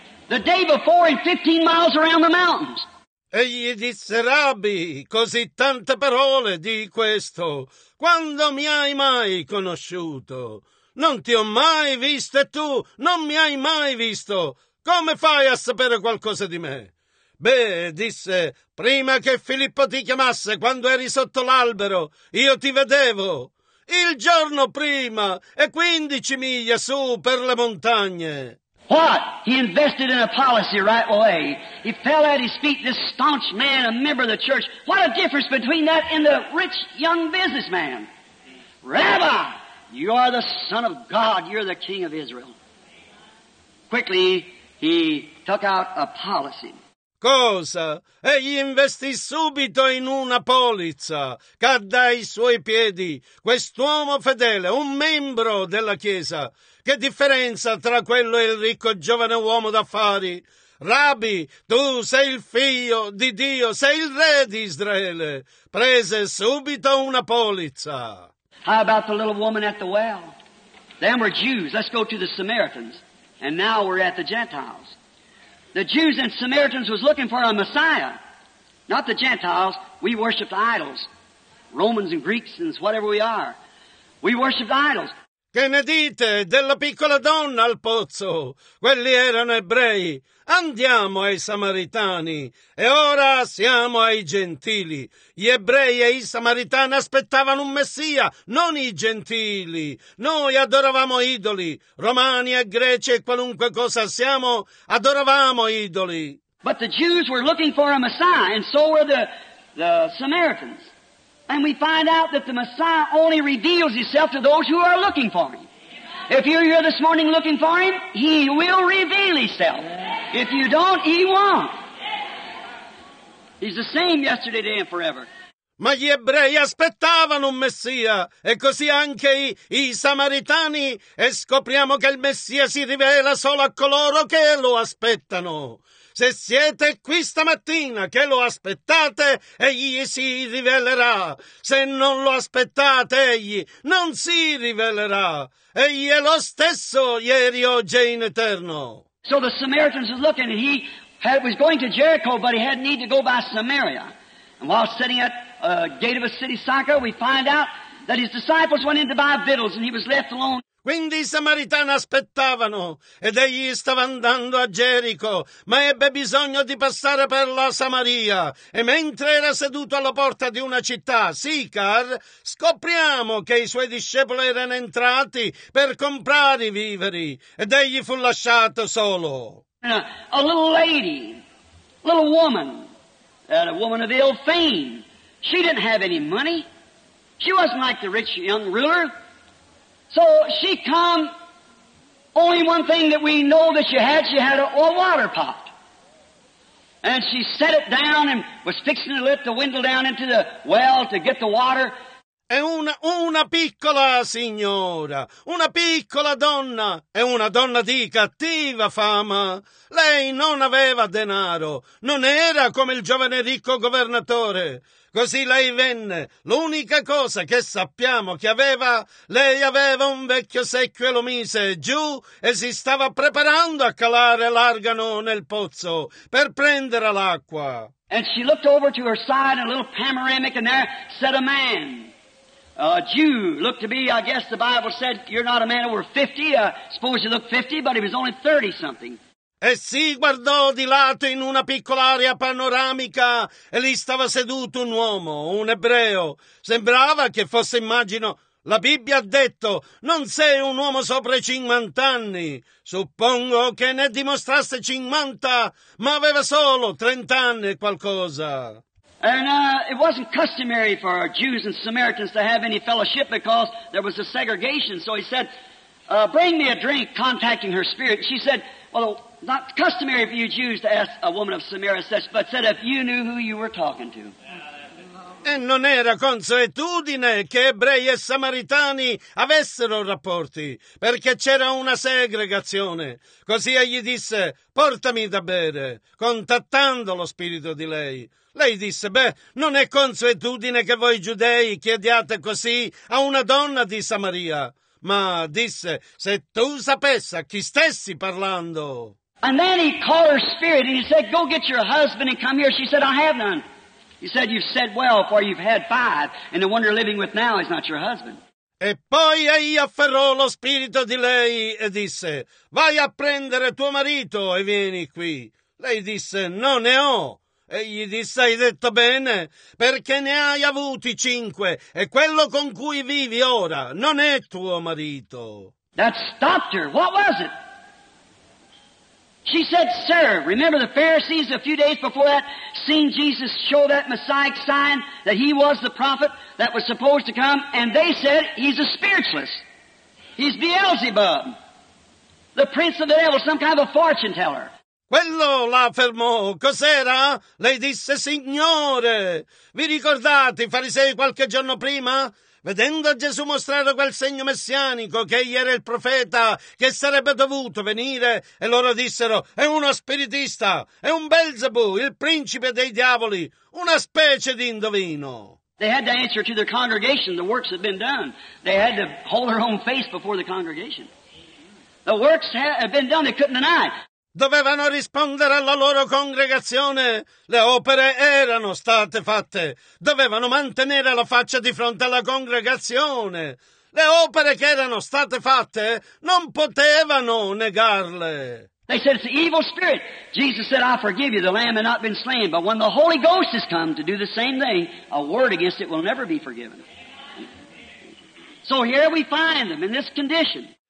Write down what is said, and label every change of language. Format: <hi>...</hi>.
<en>The day before, in 15 miles around the mountains.</en> <it>Egli disse, Rabbi, così tante parole di questo. Quando mi hai mai conosciuto? Non ti ho mai visto e tu non mi hai mai visto. Come fai a sapere qualcosa di me? Beh, disse, prima che Filippo ti chiamasse, quando eri sotto l'albero, io ti vedevo. Il giorno prima e 15 miglia su per le montagne.</it> <en>What? He invested in a policy right away. He fell at his feet, this staunch man, a member of the church. What a difference between that and the rich young businessman. Rabbi, you are the Son of God. You're the King of Israel. Quickly, he took out a policy.</en> <it>Cosa? Egli investì subito in una polizza. Cadde ai suoi piedi. Quest'uomo fedele, un membro della Chiesa. Che differenza tra quello e il ricco giovane uomo d'affari? Rabbi, tu sei il figlio di Dio, sei il re di Israele. Prese subito una polizza.</it> <en>How about the little woman at the well? Them were Jews. Let's go to the Samaritans. And now we're at the Gentiles. The Jews and Samaritans was looking for a Messiah, not the Gentiles. We worship the idols, Romans and Greeks and whatever we are. We worship the idols.</en> <it>Che ne dite della piccola donna al pozzo? Quelli erano ebrei. Andiamo ai samaritani. E ora siamo ai gentili. Gli ebrei e i samaritani aspettavano un Messia, non i gentili. Noi adoravamo idoli. Romani e greci e qualunque cosa siamo, adoravamo idoli.</it> <en>But the Jews were looking for a Messiah, and so were the Samaritans. And we find out that the Messiah only reveals himself to those who are looking for him. If you're here this morning looking for him, he will reveal himself. If you don't, he won't. He's the same yesterday, today, and forever.</en> <it>Ma gli ebrei aspettavano un Messia, e così anche i samaritani, e scopriamo che il Messia si rivela solo a coloro che lo aspettano. Se siete qui stamattina che lo aspettate, egli si rivelerà. Se non lo aspettate, egli non si rivelerà. Egli è lo stesso ieri, oggi e in eterno.</it> <en>So the Samaritans was looking, and he had, was going to Jericho, but he had need to go by Samaria. And while sitting at a gate of a city, Sychar, we find out that his disciples went in to buy victuals, and he was left alone.</en> <it>Quindi i samaritani aspettavano, ed egli stava andando a Gerico, ma ebbe bisogno di passare per la Samaria. E mentre era seduto alla porta di una città, Sicar, scopriamo che i suoi discepoli erano entrati per comprare i viveri, ed egli fu lasciato solo.</it> <en>A little lady, a little woman, a woman of ill fame, she didn't have any money. She wasn't like the rich young ruler. So she come, only one thing that we know that she had a water pot. And she set it down and was fixing to lift the window down into the well to get the water.</en> <it>È una piccola signora, una piccola donna, è una donna di cattiva fama. Lei non aveva denaro, non era come il giovane ricco governatore. Così lei venne. L'unica cosa che sappiamo che aveva, lei aveva un vecchio secchio e lo mise giù e si stava preparando a calare l'argano nel pozzo per prendere l'acqua.</it> <en>And she looked over to her side in a little panoramic and there sat a man. A Jew looked to be, I guess the Bible said, you're not a man over 50, suppose you look 50, but he was only 30 something.</en> <it>E si guardò di lato in una piccola area panoramica e lì stava seduto un uomo, un ebreo. Sembrava che fosse, immagino, la Bibbia ha detto, non sei un uomo sopra i 50 anni. Suppongo che ne dimostrasse 50, ma aveva solo 30 anni e qualcosa.</it> <en>And it wasn't customary for our Jews and Samaritans to have any fellowship because there was a segregation. So he said, bring me a drink, contacting her spirit. She said, well, not customary for you Jews to ask a woman of Samaria such, but said, if you knew who you were talking to.</en> <it>E non era consuetudine che ebrei e samaritani avessero rapporti, perché c'era una segregazione. Così egli disse, portami da bere, contattando lo spirito di lei. Lei disse, beh, non è consuetudine che voi giudei chiediate così a una donna di Samaria. Ma disse, se tu sapessi a chi stessi parlando.</it> <en>And then he called her spirit and he said, go get your husband and come here. She said, I have none. He said, you've said well, for you've had five, and the one you're living with now is not your husband.</en> <it>E poi egli afferrò lo spirito di lei e disse, vai a prendere tuo marito e vieni qui. Lei disse, no, ne ho. Egli disse, hai detto bene, perché ne hai avuti cinque, e quello con cui vivi ora non è tuo marito.</it> <en>That stopped her. What was it? She said, sir, remember the Pharisees a few days before that seen Jesus show that Messiah sign that he was the prophet that was supposed to come, and they said, he's a spiritualist. He's Beelzebub, the prince of the devil, some kind of a fortune teller.</en> <it>Quello la fermò. Cos'era? Lei disse, signore, vi ricordate i farisei qualche giorno prima? Vedendo Gesù mostrare quel segno messianico che egli era il profeta che sarebbe dovuto venire, e loro dissero, è uno spiritista, è un Belzebù, il principe dei diavoli, una specie di indovino.</it> <en>They had to answer to their congregation, the works had been done. They had to hold their own face before the congregation. The works had been done, they couldn't deny.</en> <it>Dovevano rispondere alla loro congregazione. Le opere erano state fatte. Dovevano mantenere la faccia di fronte alla congregazione. Le opere che erano state fatte non potevano negarle.</it> <en>They said, it's an evil spirit. Jesus said, I forgive you, the lamb had not been slain. But when the Holy Ghost has come to do the same thing, a word against it will never be forgiven. So here we find them in this condition.</en>